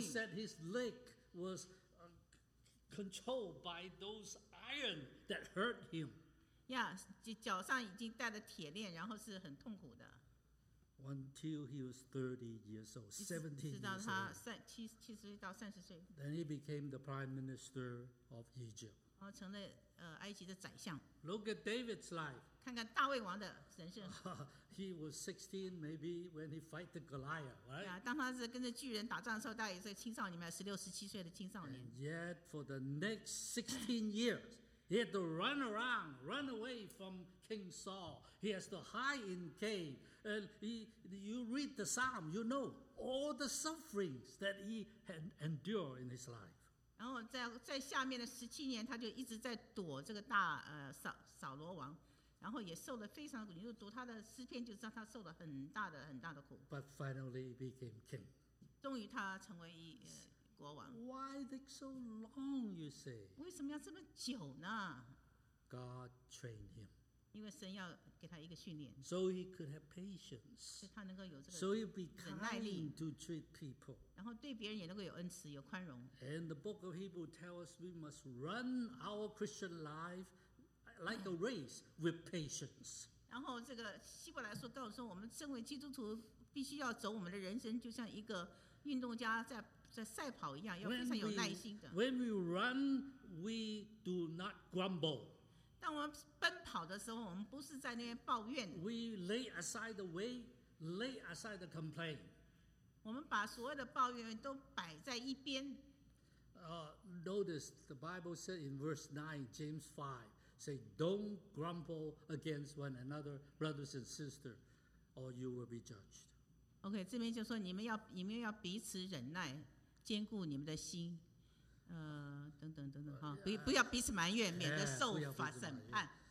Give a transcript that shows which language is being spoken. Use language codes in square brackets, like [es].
[en] The Bible said his leg was... controlled by those iron that hurt him. [zh] Yeah, 脚上已经带了铁链，然后是很痛苦的。 [en] Until he was 30 years old, 17 years old. [zh] 直到他七十岁到三十岁。 [en] Then he became the prime minister of Egypt. [zh] 然后成了埃及的宰相。 [en] Look at David's life. [zh] 看看大卫王的人生。 [en] He was 16 maybe when he fight the Goliath, right? [zh] Yeah, 当他是跟着巨人打仗的时候，大概也是青少年嘛，16、17岁的青少年。 [en] And yet for the next 16 years, he had to run around, run away from King Saul. He has to hide in cave. You read the Psalm, you know all the sufferings that he had endured in his life. [zh] 然后在下面的十七年，他就一直在躲这个大扫罗王，然后也受了非常的苦。你就读他的诗篇，就知道他受了很大的很大的苦。 [en] But finally became king. [zh] 终于他成为国王。 [en] Why take so long? You say. [zh] 为什么要这么久呢 [en] ？God trained him. [zh] 因为神要给他一个训练。 [en] So he could have patience. [zh] 所以他能够有这个。 [en] So he'd be kind to treat people. [zh] 然后对别人也能够有恩慈，有宽容。 [en] And the book of Hebrew tells us we must run our Christian life like a race with patience. [zh] 然后这个希伯来书告诉说，我们身为基督徒必须要走我们的人生，就像一个运动家在赛跑一样，要非常有耐心的。 [en] When we run, we do not grumble. [zh] 当我们奔跑的时候，我们不是在那边抱怨。 [en] We lay aside the way, lay aside the complaint. [zh] 我们把所谓的抱怨都摆在一边。 [en] Notice the Bible said in verse 9, James 5, say, don't grumble against one another, brothers and sisters, or you will be judged. [zh] OK, 这边就说你们要彼此忍耐，坚固你们的心。等等等等哈，不要彼此埋怨，免得受罚审判。